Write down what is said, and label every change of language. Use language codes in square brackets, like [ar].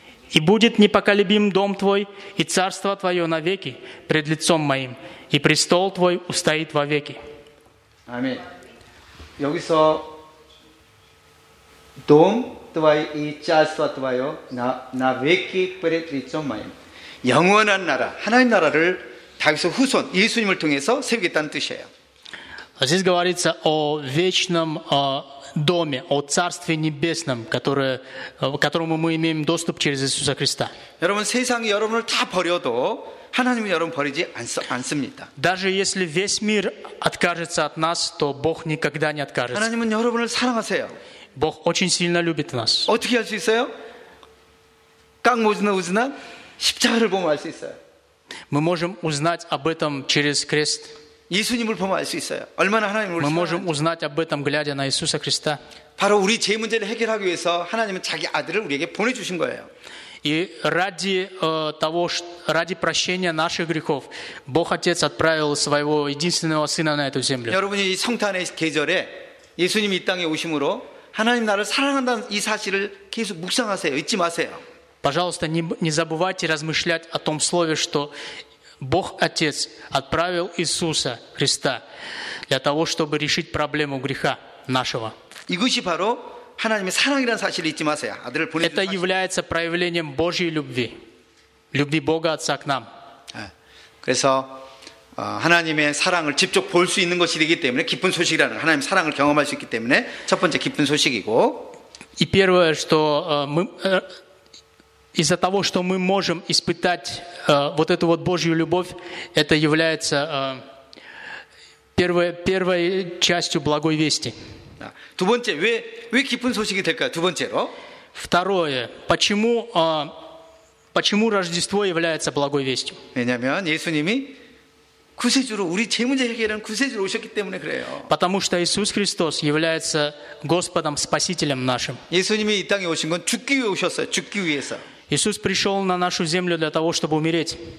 [ru] И будет непоколебим дом твой, и царство твое навеки пред лицом моим, и престол твой устоит вовеки. Аминь. [ko] 여기서 [ru] дом твой и царство твое навеки пред лицом моим. [ko] 영원한 나라, 하나님 나라를 다윗의 후손, 예수님을 통해서 세우겠다는 뜻이에요. [ru] Здесь говорится о вечном доме, о Царстве Небесном, которому мы имеем доступ через Иисуса Христа. [ko] 여러분, 세상이 여러분을 다 버려도 하나님이 여러분 버리지 않습니다. [ru] Даже если весь мир откажется от нас, то Бог никогда не откажется. [ko] 하나님은 여러분을 사랑하세요. [ru] Бог очень сильно любит нас. [ko] 어떻게 할 수 있어요? [ru] как можно узнать? [ko] 십자가를 보면 알 수 있어요. [ru] Мы можем узнать об этом через крест. [ko] 예수님을 보면 알 수 있어요. 얼마나 하나님을 [ru] 우리 можем узнать об этом глядя на Иисуса Христа. [ko] 바로 우리 죄 문제를 해결하기 위해서 하나님은 자기 아들을 우리에게 보내 주신 거예요. [ru] И ради того, ради прощения наших грехов, Бог Отец отправил своего единственного сына на эту землю. [ko] 여러분이 이 성탄의 계절에 예수님이 이 땅에 오심으로 하나님 나를 사랑한다는 이 사실을 계속 묵상하세요. 잊지 마세요. [ru] Пожалуйста, не забывайте размышлять о том слове, что Бог Отец отправил Иисуса Христа для того, чтобы решить проблему греха нашего. [ko] 이것이 바로 하나님의 사랑이라는 사실을 잊지 마세요. 아들을 보내. [ru] Это является проявлением Божьей любви, любви Бога Отца к нам. [ko] 그래서 하나님의 사랑을 직접 볼 수 있는 것이 되기 때문에 기쁜 소식이라는 하나님의 사랑을 경험할 수 있기 때문에 첫 번째 기쁜 소식이고. [ru] И первое, что мы из-за того, что мы можем испытать вот эту вот Божью любовь, это является первой частью благой вести. [ko] 두 번째, 왜 기쁜 소식이 될까요? 두 번째로. [ru] Второе, почему Рождество является благой вестью? [ko] 왜냐하면 예수님이 구세주로 우리 죄 문제 해결한 구세주로 오셨기 때문에 그래요. [ru] Потому что Иисус Христос является Господом, Спасителем нашим. [ko] 예수님이 이 땅에 오신 건 죽기 위해 오셨어요. 죽기 위해서. [ru] Иисус пришел на нашу землю для того, чтобы умереть.